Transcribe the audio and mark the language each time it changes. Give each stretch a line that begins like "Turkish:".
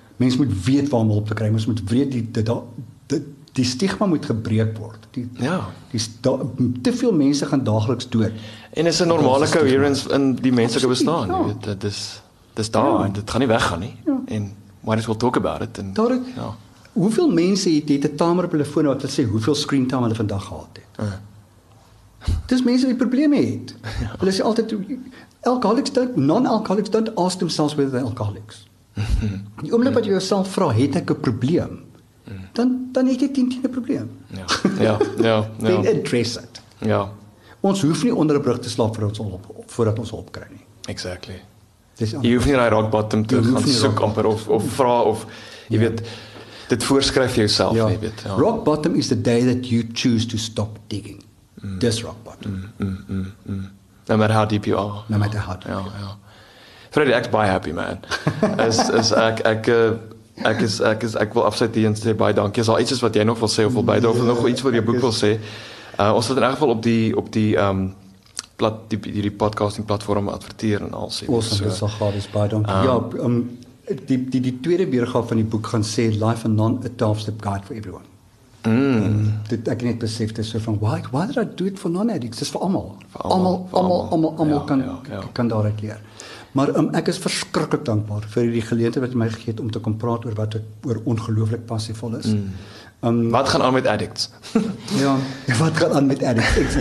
Afrikaans: Mense moet weet waar om hulp te kry. Mense moet weet die stigma moet gebreek word. Te veel mense gaan daagliks dood. En is 'n normale coherence in die menslike bestaan. Ja. Dit is daar. Ja. Dit gaan nie weggaan nie. Ja.
English: En why don't we talk about it? En,
Afrikaans: daar, ja. Hoeveel mense het 'n tamer op hulle foon wat wil sê hoeveel screen time hulle vandag gehad het? Dis mense wat probleme het. Ja. Hulle sê altyd,
English: non-alcoholics don't ask themselves whether they're alcoholics.
Afrikaans: Die oomblik wat jy jouself vra, het ek 'n probleem? dan het jy 10-10 'n probleem. Ja.
English: Then address it.
Afrikaans: Ja. Ons hoef nie onder 'n brug te slaap voordat ons hulp kry nie.
English: Exactly.
Afrikaans: Jy hoef nie daai rock bottom te gaan soek amper of vra of jy weet dit voorskryf jy jouself, jy weet. Ja.
English: Rock bottom is the day that you choose to stop digging.
Afrikaans: Dis rock bottom.
English: No matter how deep you are. No matter how deep.
Afrikaans: Ja. Freddy, ek is baie happy, man. Ek wil afsluit hier en sê baie dankie. Is al iets wat jy nog wil sê of wil bydra of nog iets wat jy boek wil sê? Ons sal in elk geval op die podcasting platform adverteer en al sê. Ons sal so gaan, is baie dankie. Die tweede weergawe van die boek gaan sê Life and Non a 12-step guide for everyone. Dit ek net besef dis so van
English: why did I do it for non-addicts?
Afrikaans: Dis vir almal. Almal kan daaruit leer. Maar ek is verskrikkelijk dankbaar vir die geleentheid wat jy my gegee het om te kom praat oor wat oor ongelooflik passievol is. Wat gaan aan met addicts? Ja, wat gaan aan met addicts?